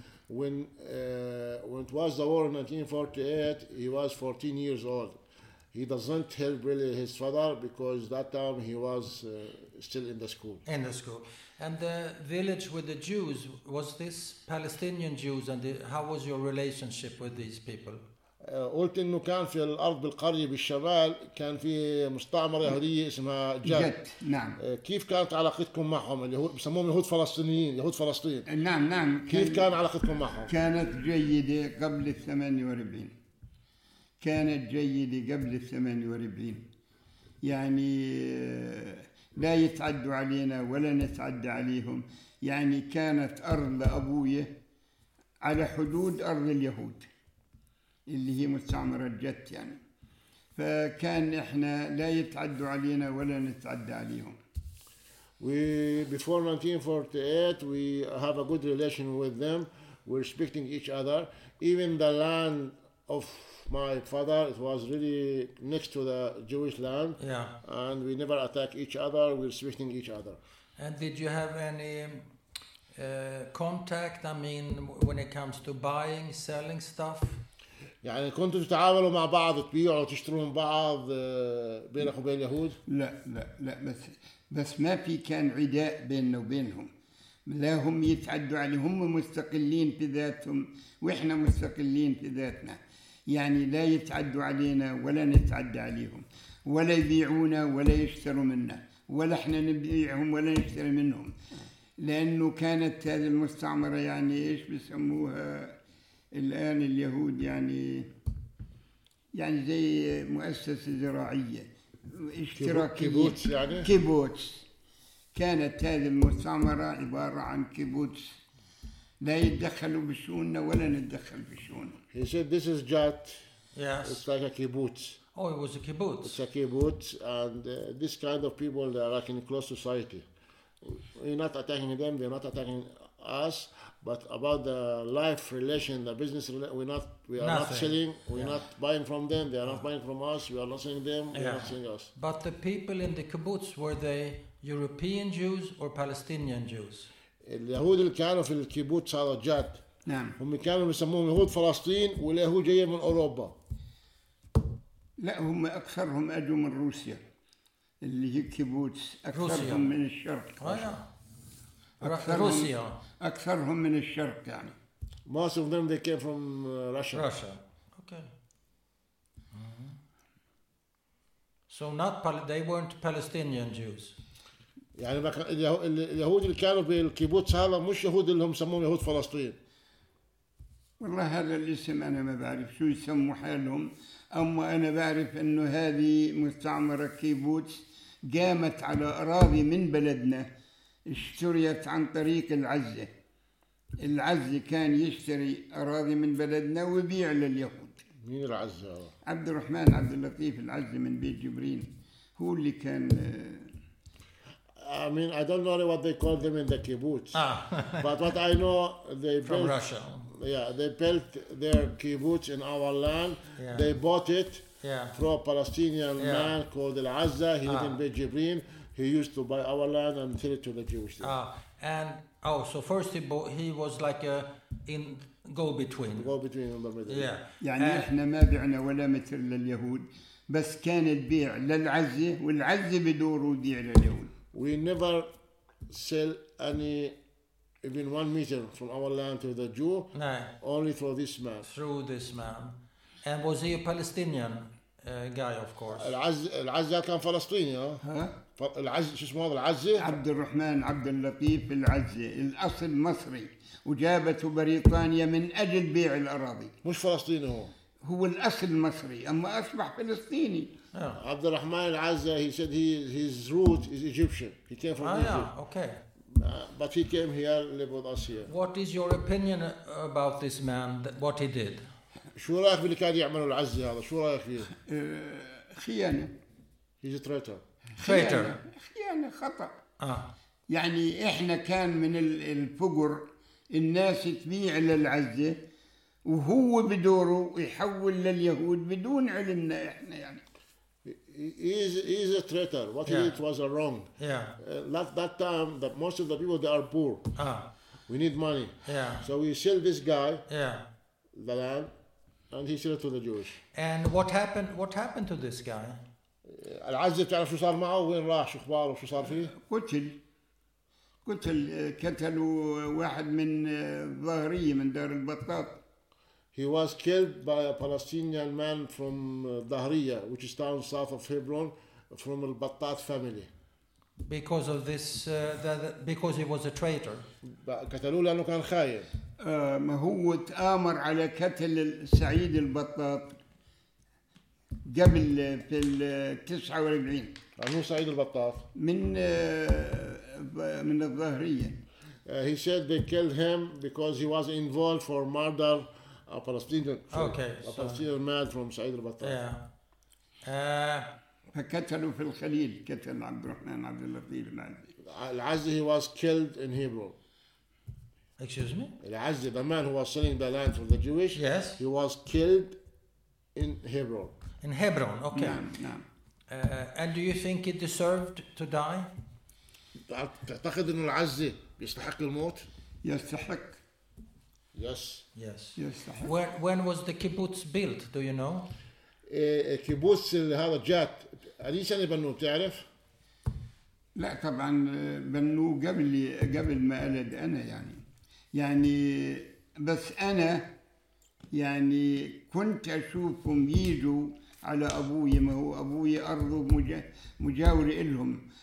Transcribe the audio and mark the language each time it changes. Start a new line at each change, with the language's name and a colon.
English: When it was the war in 1948, he was 14 years old. He doesn't help really his father because that time he was still in the school. In the school. And the village with the Jews, was this Palestinian Jews? And how was your relationship with these people?
Arabic: قلت إنه كان في الأرض بالقرية بالشمال كان في مستعمرة يهودية اسمها جت. نعم. كيف كانت علاقتكم معهم اليهود بسموهم يهود فلسطينيين يهود فلسطين. نعم. كيف كان علاقتكم معهم؟ كانت جيدة قبل 48 كانت جيدة قبل 48، يعني لا يتعدوا علينا ولا نتعدى عليهم، يعني كانت أرض لأبويا على حدود أرض اليهود اللي هي مستعمرة جت يعني، فكان إحنا لا يتعدوا علينا ولا نتعدى عليهم.
English: We before 1948 we have a good relation with them, we're respecting each other. Even the land of my father, it was really next to the Jewish land. Yeah. And we never attack each other, we're respecting each other. And did you have any contact, I mean, when it comes to buying, selling stuff?
Arabic: يعني كنتوا تتعاملوا مع بعض تبيعوا وتشتروا من بعض بينك وبين اليهود؟ لا لا لا بس ما في كان عداء بيننا وبينهم، لا هم يتعدوا عليهم، هم مستقلين في ذاتهم واحنا مستقلين في ذاتنا، يعني لا يتعدوا علينا ولا نتعدى عليهم، ولا يبيعونا ولا يشتروا منا، ولا احنا نبيعهم ولا نشتري منهم، لانه كانت هذه المستعمره يعني ايش بسموها الان اليهود، يعني زي مؤسسه زراعيه كيبوتس، يعني كيبوتس، كانت هذه المستعمرة عبارة عن كيبوتس، لا يتدخلوا بشؤوننا ولا نتدخل بشؤونهم.
English: He said this is Jat. Yes. It's like a kibbutz. Oh, it was a kibbutz. It's a kibbutz, and this kind of people they are like in close society. We're not attacking them. They're not attacking us. But about the life relation, the business, we are not selling, we're not buying from them, they are not buying from us, we are not selling them, we are not selling us. But the people in the kibbutz, were they European Jews or Palestinian Jews?
Arabic: اليهود اللي كانوا في الكيبوتس على جات. نعم. هم كانوا يسمون يهود فلسطين واليهود جاي من أوروبا. لا هم أكثرهم أجوا من روسيا. اللي هي كيبوتس أكثرهم من الشرق.
English: Russia.
Arabic: اكثرهم من الشرق يعني.
English: Most of them they came from Russia. Russia. Okay. So not they weren't Palestinian Jews.
Arabic: يعني اليهود اللي كانوا في الكيبوتس هذا مش يهود اللي هم سموهم يهود فلسطين. والله هذا الاسم انا ما بعرف شو يسموا حالهم، اما انا بعرف انه هذه مستعمرة كيبوتس قامت على اراضي من بلدنا. اشتريت عن طريق العزة، العزة كان يشتري أراضي من بلدنا ويبيع لليهود. مين العزة؟ عبد الرحمن عبد اللطيف العزة من بيت جبرين، هو اللي كان.
English: I mean I don't know what they call them in the kibbutz. Ah. But what I know they from built, Russia. Yeah, they built their kibbutz in our land. Yeah. They bought it. Yeah. From a Palestinian man called Al Azza. He lived in Beit Jibrin. He used to buy our land and sell it to the Jewish. So first he bought. He was like a in go between. Go between in the middle. Yeah.
Arabic: يعني إحنا ما بعنا ولا متر لليهود، بس كان البيع للعزة والعزة بدور وبيع لليهود.
English: We never sell any even 1 meter from our land to the Jew. No. Only through this man. Through this man. And was he a Palestinian guy, of course?
Arabic: العز كان فلسطيني. العز شو اسمه العز؟ عبد الرحمن عبد اللطيف العز، الأصل مصري وجابته بريطانيا من أجل بيع الأراضي. مش فلسطيني هو؟ هو الأصل مصري، أما أصبح فلسطيني.
English: Yeah. عبد الرحمن العز، he said his root is Egyptian. He came from Egypt. Yeah. Okay. But he came here, lived with us here. What is your opinion about this man? What he did?
Arabic: شو رأيك باللي كان يعمله العز هذا؟ شو رأيك فيه؟ خيانة.
English: He's a traitor.
Arabic: خيانة. خيانة خطأ. آه. يعني إحنا كان من الفقر الناس تبيع للعزة وهو بدوره يحول لليهود بدون علمنا إحنا يعني.
English: He's a traitor. What he did was wrong. Yeah. That time, that most of the people they are poor. Ah. We need money. Yeah. So we sell this guy. Yeah. The land. And he sold it to the Jewish. And what happened? What happened to this guy?
Arabic: العزة تعرف شو صار معه وين راح شو أخباره شو صار فيه؟ قتل كتلوا واحد من ظهرية من دار البطاط.
English: He was killed by a Palestinian man from Dahriya, which is town south of Hebron, from the Battat family. Because of this, because he was a traitor.
Arabic: قتلوه لأنه كان خاين. ما هو تآمر على كتل سعيد البطاط قبل في 49 عن هو سعيد البطاط من الظهرية.
English: He said they killed him because he was involved for murder a Palestinian. Okay. A Palestinian man from Sa'id al-Battah. Yeah.
Arabic: قتلوا في الخليل قتل عبد الرحمن عبد اللطيف
English: العزي. He was killed in Hebron. Excuse me? العزي, the man who was selling the land for the Jewish. Yes. He was killed in Hebron. In Hebron, okay.
Arabic: نعم.
English: And do you think he deserved to die?
Arabic: تعتقد أن العزي يستحق الموت؟ يستحق.
English: Yes. Yes.
Arabic: يستحق.
English: When was the kibbutz built? Do you know?
Arabic: الكيبوتس اللي هذا جات. أي سنة بنوه تعرف؟ لا طبعاً بنوه قبل ما ألد أنا يعني بس أنا يعني كنت أشوفهم يجوا على أبوي ما هو أبوي أرضه مجاور إلهم.